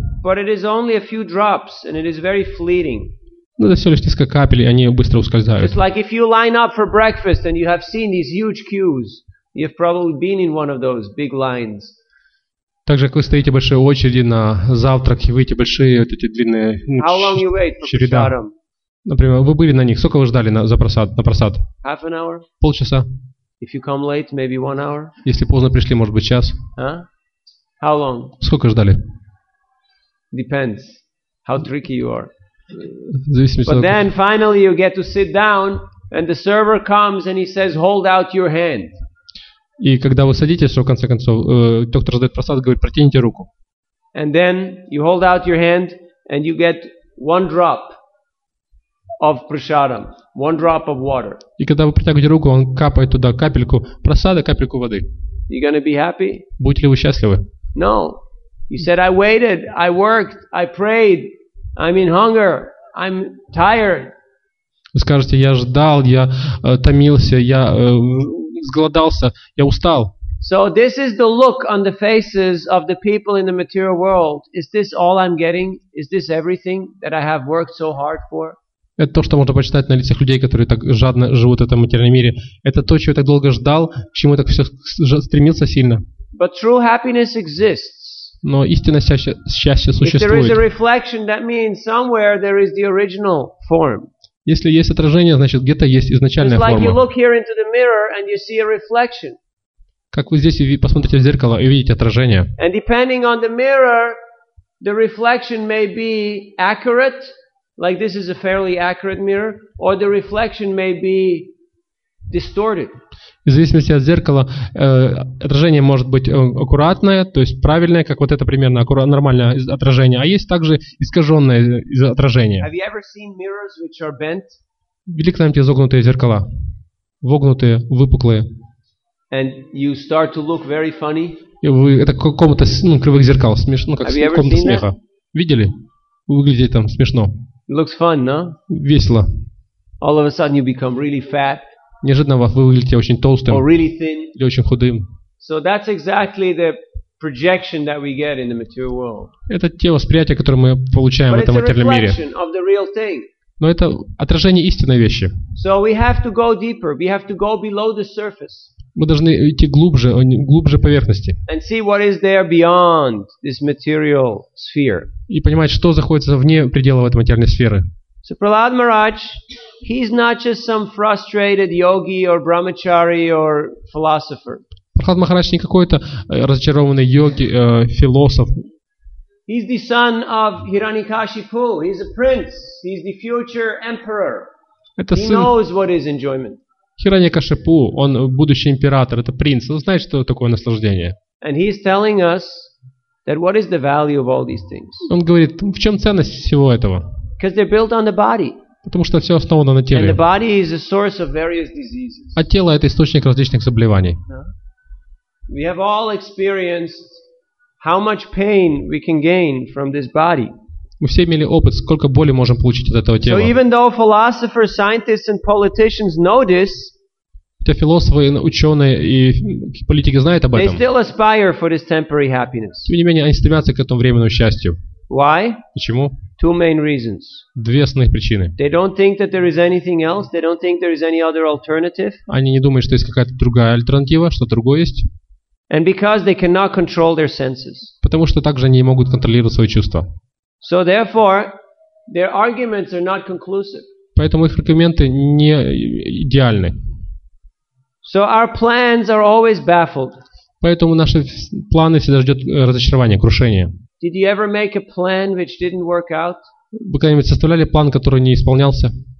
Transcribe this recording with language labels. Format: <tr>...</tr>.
<en>But it is only a few drops, and it is very fleeting.</en> <ru>Ну, это всего лишь несколько капель, и они быстро ускользают.</ru> <en>Just like if you line up for breakfast, and you have seen these huge queues, you've probably been in one of those big lines.</en> <ru>Также, как вы стоите в большой очереди на завтрак, и выйти большие вот эти длинные череда. Например, вы были на них. Сколько вы ждали на просад?</ru> <en>Half an hour.</en> <ru>Полчаса.</ru> <en>If you come late, maybe one hour.</en> <ru>Если поздно пришли, может быть, час.</ru> <en>Huh? How long?</en> <ru>Сколько ждали?</ru> <en>Depends. How tricky you are.</en> <ru>Зависит от того.</ru> <en>But then finally you get to sit down, and the server comes and he says, "Hold out your hand."</en> <ru>И когда вы садитесь, то в конце концов доктор задает просад, говорит, протяните руку.</ru> <en>And then you hold out your hand, and you get one drop of prasadam, one drop of water.</en> <ru>И когда вы протягиваете руку, он капает туда капельку просада, капельку воды.</ru> <en>You're gonna be happy?</en> <ru>Будете ли вы счастливы?</ru> <en>No. You said, I waited, I worked, I prayed, I'm in hunger, I'm tired.</en> <ru>Вы скажете, я ждал, я томился, я сголодался, я устал.</ru> <en>So this is the look on the faces of the people in the material world. Is this all I'm getting? Is this everything that I have worked so hard for?</en> <ru>Это то, что можно почитать на лицах людей, которые так жадно живут в этом материальном мире. Это то, чего я так долго ждал, к чему я так все стремился сильно.</ru> <en>But true happiness exists.</en> <ru>Но истинное счастье существует.</ru> <en>If there is a reflection, that means somewhere there is the original form.</en> <ru>Если есть отражение, значит, где-то есть изначальная</ru> <en>It's like</en> <ru>форма.</ru> <en>You look here into the mirror and you see a reflection.</en> <ru>Как вы здесь посмотрите в зеркало и видите отражение.</ru> <en>And depending on the mirror, the reflection may be accurate, like this is a fairly accurate mirror, or the reflection may be distorted.</en> <ru>В зависимости от зеркала, отражение может быть аккуратное, то есть правильное, как вот это примерно нормальное отражение, а есть также искаженное отражение.</ru> <en>Have you ever seen mirrors which are bent?</en> <ru>Видели когда-нибудь изогнутые зеркала? Вогнутые, выпуклые.</ru> <en>And you start to look very funny?</en> <ru>И вы, это какого-то кривых зеркал, смешно, как какого-то смеха. Видели? Вы выглядите там смешно.</ru> <en>It looks fun, no?</en> <ru>Весело.</ru> <en>All of a sudden you become really fat.</en> <ru>Неожиданно вы выглядите очень толстым</ru> <en>or really thin.</en> <ru>Или очень худым.</ru> <en>So that's exactly the projection that we get in the material world.</en> <ru>Это те восприятия, которые мы получаем</ru> <en>But</en> <ru>в этом материальном мире.</ru> <en>Of the real thing.</en> <ru>Но это отражение истинной вещи.</ru> <en>So we have to go deeper. We have to go below the surface.</en> <ru>Мы должны идти глубже поверхности.</ru> <en>And see what is there beyond this material sphere.</en> <ru>И понимать, что находится вне пределов этой материальной сферы.</ru> <en>So Prahlad Maharaj, he's not just some frustrated yogi or brahmachari or philosopher.</en> <ru>Prahlad Maharaj не какой-то разочарованный йоги, философ.</ru> <en>He's the son of Hiranyakashipu. He's a prince. He's the future emperor.</en> <ru>Это</ru> <en>he knows what is enjoyment.</en> <ru>Хираньякашипу, он будущий император, это принц. Он знает, что такое наслаждение.</ru> <en>And he's telling us that what is the value of all these things.</en> <ru>Он говорит, в чем ценность всего этого?</ru> <en>Because they're built on the body.</en> <ru>Потому что все основано на теле.</ru> <en>And the body is a source of various diseases.</en> <ru>А тело это источник различных заболеваний.</ru> <en>We have all experienced how much pain we can gain from this body.</en> <ru>Мы все имели опыт, сколько боли можем получить от этого тела.</ru> <en>So even though philosophers, scientists, and politicians know this,</en> <ru>хотя философы, ученые и политики знают об этом,</ru> <en>they still aspire for this temporary happiness.</en> <ru>Тем не менее, они стремятся к этому временному счастью.</ru> <en>Why?</en> <ru>Почему?</ru> <en>Two main reasons.</en> <ru>Две основных причины.</ru> <en>They don't think that there is anything else. They don't think there is any other alternative.</en> <ru>Они не думают, что есть какая-то другая альтернатива, что другое есть.</ru> <en>And because they cannot control their senses.</en> <ru>Потому что также они не могут контролировать свои чувства.</ru> <en>So therefore, their arguments are not conclusive.</en> <ru>Поэтому их аргументы не идеальны.</ru> <en>So our plans are always baffled.</en> <ru>Поэтому наши планы всегда ждет разочарование, крушение.</ru> <en>Did you ever make a plan which didn't work out?</en> <ru>Вы когда-нибудь составляли план, который не исполнялся?</ru>